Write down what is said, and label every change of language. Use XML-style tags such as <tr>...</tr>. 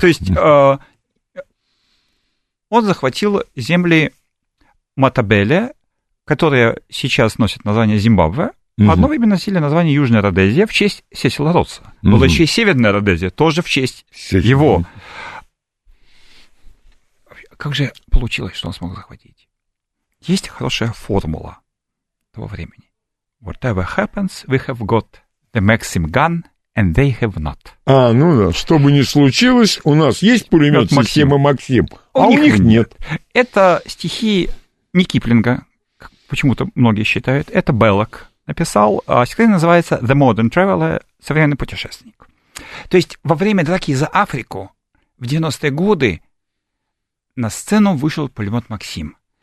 <ru>То есть он захватил земли Матабеле, которые сейчас носят название Зимбабве. Угу. Одно время носили название Южная Родезия в честь Сесила Родса. Угу. Была еще и Северная Родезия, тоже в честь его. Как же получилось, что он смог захватить? Есть хорошая формула того времени.</ru> <en>Whatever happens, we have got the Maxim gun, and they have not.</en> <ru>А, ну да, что бы ни случилось, у нас есть пулемет системы Максим, а у них нет. Это стихи не Киплинга, как почему-то многие считают, это Беллок написал, а стихотворение называется «The Modern Traveler» — «Современный путешественник». То есть во время драки за Африку в 90-е годы на сцену вышел пулемет «Максим».</ru>